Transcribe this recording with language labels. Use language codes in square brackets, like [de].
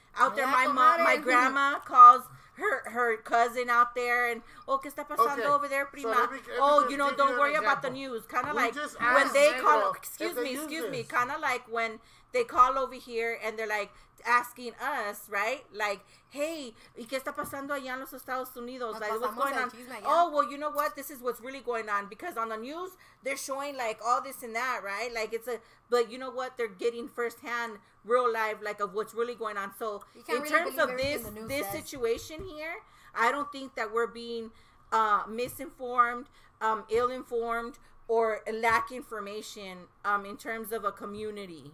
[en] Out there, my mom, my grandma calls her cousin out there, and oh, [es] ¿qué está pasando [en] over there, prima? Don't worry about the news. Kind of like when they call, excuse me, kind of like when they call over here and they're like asking us, right? [es] Like, hey, ¿y qué está pasando allá en los Estados Unidos? [en] Like, what's going on? Oh, well, you know what? This is what's really going on because on the news, they're showing like all this and that, right? Like, but you know what? They're getting firsthand real life, like, of what's really going on. So, in terms of this situation here, I don't think that we're being misinformed, ill-informed, or lack information in terms of a community.